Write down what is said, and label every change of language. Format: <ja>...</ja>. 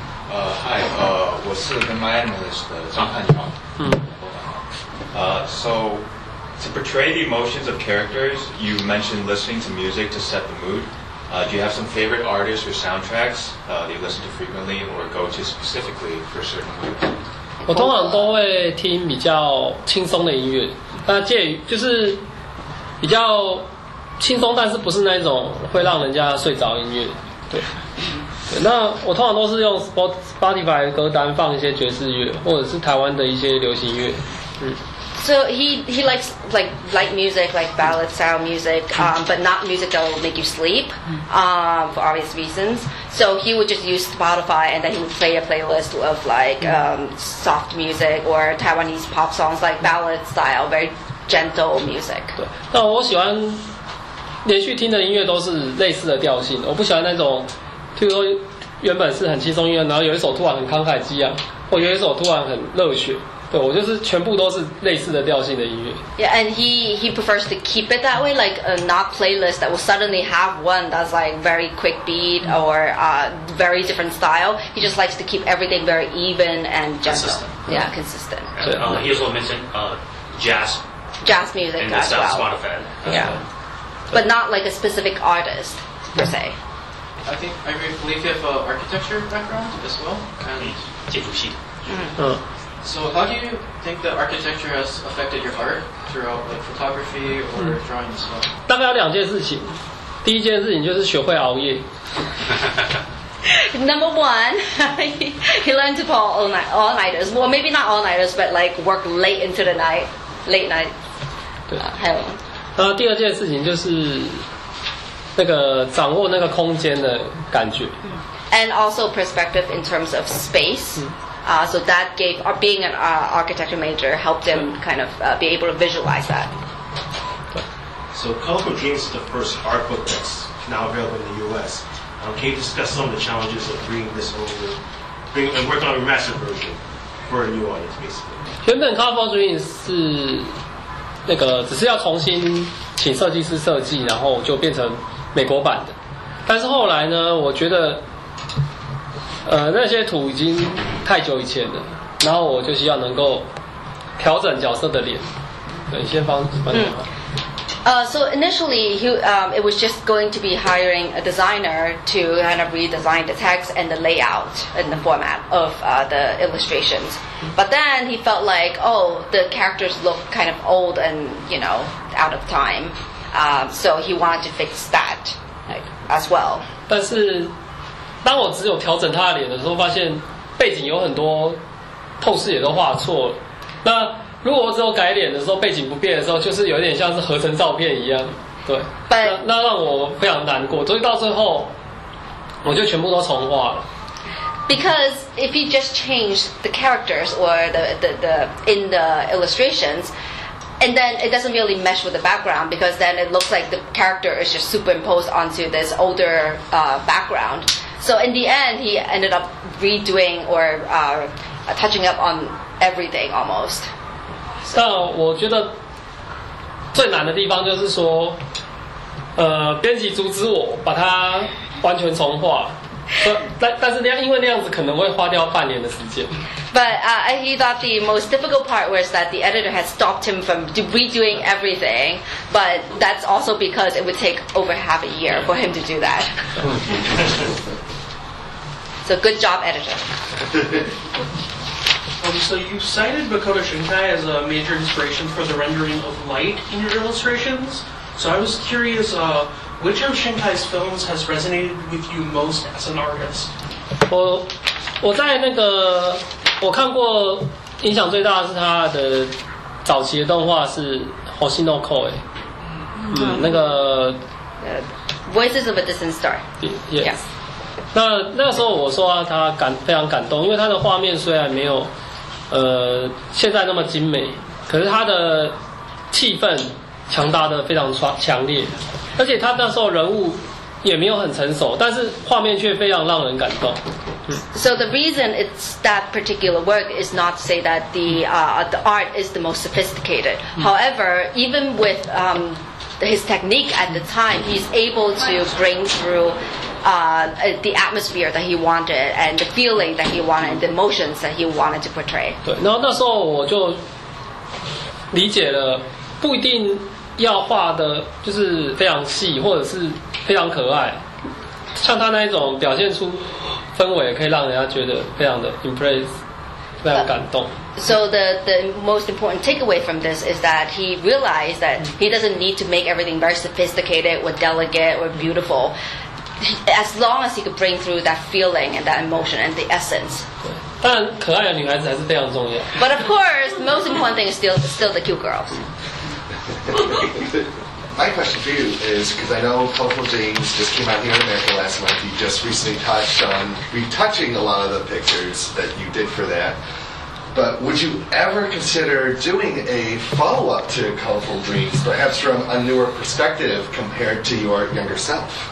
<en>Hi,</en> <zh>我是跟</zh> <en>my analyst</en> <zh>张汉强。</zh> <en>So, to portray the emotions of characters, you mentioned listening to music to set the mood. Do you have some favorite artists or soundtracks that you listen to frequently or go to specifically for certain moods?</en> <zh>我通常都会听比较轻松的音乐，那介于就是比较轻松，但是不是那种会让人家睡着音乐。对，那我通常都是用 Spotify 歌单放一些爵士乐，或者是台湾的一些流行乐。嗯。</zh> <en>So he likes like light music, like ballad style music, but not music that will make you sleep, for obvious reasons. So he would just use Spotify and then he would play a playlist of like soft music or Taiwanese pop songs, like ballad style, very gentle music.</en> <zh>对，那我喜欢连续听的音乐都是类似的调性，我不喜欢那种，譬如说原本是很轻松音乐，然后有一首突然很慷慨激昂，或有一首突然很热血。对，我就是全部都是类似的调性的音乐。</zh> <en>Yeah, and he prefers to keep it that way, like a not playlist that will suddenly have one that's like very quick beat or very different style. He just likes to keep everything very even and gentle. Consistent. Yeah, consistent. And, he also mentioned jazz. Jazz music as well. And that's Spotify. Yeah. But not like a specific artist, per se. I think, I believe you have an architecture background as well. And</en> <zh>建筑系。</zh> <en>So how do you think the architecture has affected your art throughout like photography or drawing as well?</en> <zh>大概有两件事情，第一件事情就是学会熬夜。</zh> <en>Number one, he learned to pull all nighters. Well, maybe not all nighters, but like work late into the night, late night.</en> <zh>对，还有。第二件事情就是那个掌握那个空间的感觉。</zh> <en>And also perspective in terms of space. So that gave, being an architecture major helped him kind of be able to visualize that. So Colorful Dreams is the first art book that's now available in the U.S. Can you discuss some of the challenges of bringing this over, and working on a remastered version for a new audience, basically?</en> <zh>原本 Colorful Dreams 是那个只是要重新请设计师设计，然后就变成美国版的。但是后来呢，我觉得那些图已经太久以前了，然后我就希望能够调整角色的脸。对，先放什么？</zh> <en>So initially, it was just going to be hiring a designer to kind of redesign the text and the layout and the format of the illustrations. But then he felt like, oh, the characters look kind of old and, you know, out of time. So he wanted to fix that, like, as well.</en> <zh>但是当我只有调整他的脸的时候，发现背景有很多透视也都画错了。那如果我只有改脸的时候，背景不变的时候，就是有点像是合成照片一样，对。</zh> <en>But,</en> <zh>那让我非常难过，所以到最后我就全部都重画了。</zh> <en>Because if you just change the characters or the in the illustrations, and then it doesn't really mesh with the background because then it looks like the character is just superimposed onto this older background. So in the end, he ended up redoing or touching up on everything almost. So,</en> <zh>但我觉得最难的地方就是说，编辑阻止我把它完全重画。但是那样，因为那样子可能会花掉半年的时间。</zh> <en>But he thought the most difficult part was that the editor had stopped him from redoing everything. But that's also because it would take over half a year for him to do that. So good job, editor. So you cited Makoto Shinkai as a major inspiration for the rendering of light in your illustrations. So I was curious, which of Shinkai's films has resonated with you most as an artist?</en> <zh>我在那个我看过影响最大的是他的早期的动画是 Hoshino no Koe. 那个</zh> <en>Voices of a Distant Star. Yes. Yeah.</en> <zh>那时候我受到他非常感动，因为他的画面虽然没有现在那么精美，可是他的气氛强大的非常强烈，而且他那时候人物也没有很成熟，但是画面却非常让人感动。</zh> <en>So the reason it's that particular work is not to say that the art is the most sophisticated. However, even with his technique at the time, he's able to bring through the atmosphere that he wanted and the feeling that he wanted, the emotions that he wanted to portray.</en> <zh>对，然后那时候我就理解了，不一定要画的就是非常细或者是非常可爱，像他那一种表现出氛围可以让人家觉得非常的</zh> <en>impressed，</en> <zh>非常感动。</zh> <en>So the most important takeaway from this is that he realized that he doesn't need to make everything very sophisticated or delicate or beautiful. As long as he could bring through that feeling and that emotion and the essence.</en> <zh>对，当然可爱的女孩子还是非常重要。</zh> <en>But of course, the most important thing is still the cute girls. My question for you is, because I know Colorful Jeans just came out here in America last month, you just recently touched on retouching a lot of the pictures that you did for that, but would you ever consider doing a follow-up to Colorful Dreams, perhaps from a newer perspective compared to your younger self?</en>